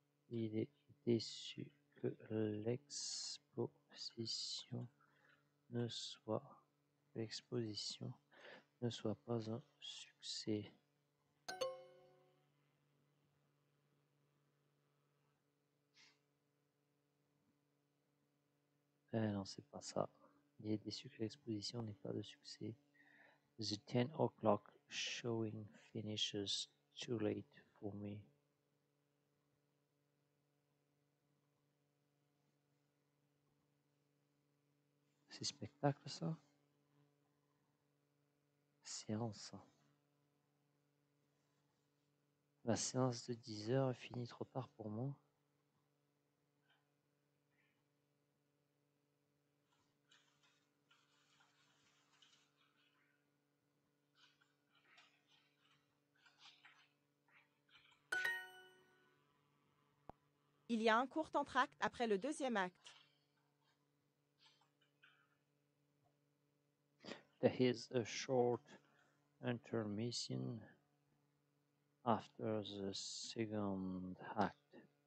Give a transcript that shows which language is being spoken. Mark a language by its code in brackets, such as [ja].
[fr] Il est déçu que l'exposition ne soit pas un succès. Non, c'est pas ça. Il est déçu que l'exposition n'ait pas de succès. [en] The 10 o'clock showing finishes too late for me. [fr] C'est spectacle, ça? Séance. La séance de 10 heures est finie trop tard pour moi. Il y a un court entr'acte après le deuxième acte. [en] There is a short intermission after the second act.